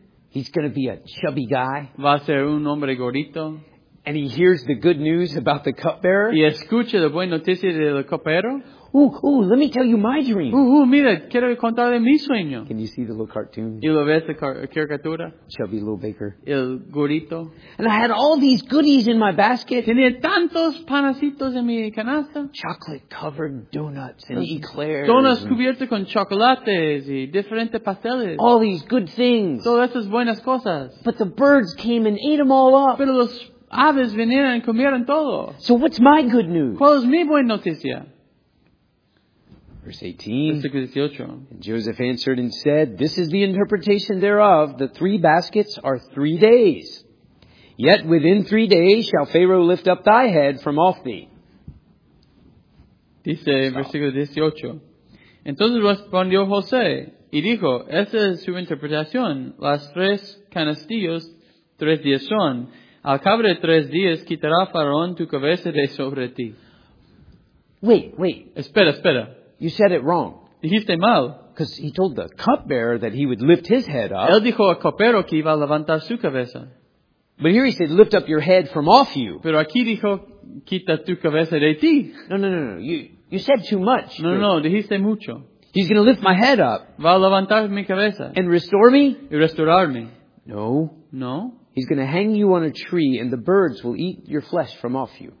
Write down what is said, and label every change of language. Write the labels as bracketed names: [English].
[English] He's going to be a chubby guy. [Spanish] Va a ser un hombre gordito. [English] And he hears the good news about the cupbearer. [Spanish] Y escucha la buena noticia del copero. [English] Ooh, let me tell you my dream. [Spanish] Ooh, mira, quiero contarle mi sueño. [English] Can you see the little cartoon? [Spanish] ¿Y lo ves la caricatura? [English] Chubby little baker. [Spanish] El gorito. [English] And I had all these goodies in my basket. [Spanish] Tenía tantos panacitos en mi canasta. [English] Chocolate covered donuts and eclairs. [Spanish] Donuts cubiertos con chocolates y diferentes pasteles. [English] All these good things. [Spanish] Todas esas buenas cosas. [English] But the birds came and ate them all up. [Spanish] Pero los aves vinieron y comieron todo. [English] So what's my good news? [Spanish] ¿Cuál es mi buena noticia? [English] Verse 18. And Joseph answered and said, "This is the interpretation thereof. The three baskets are 3 days. Yet within 3 days shall Pharaoh lift up thy head from off thee." [Spanish] Dice, versículo 18. Entonces respondió José y dijo, "Esa es su interpretación. Las tres canastillos, 3 días son. Al cabo de 3 días quitará Faraón tu cabeza de sobre ti." [English] Wait. [Spanish] Espera. [English] You said it wrong. [Spanish] Dijiste mal. [English] Because he told the cupbearer that he would lift his head up. [Spanish] Él dijo al copero que iba a levantar su cabeza. [English] But here he said, "Lift up your head from off you." [Spanish] Pero aquí dijo, "Quita tu cabeza de ti." [English] No. You said too much. [Spanish] No. Dijiste mucho. [English] He's going to lift my head up. [Spanish] Va a levantar mi cabeza. [English] And restore me? [Spanish] Y restaurarme. [English] No. [Spanish] No. [English] He's going to hang you on a tree and the birds will eat your flesh from off you.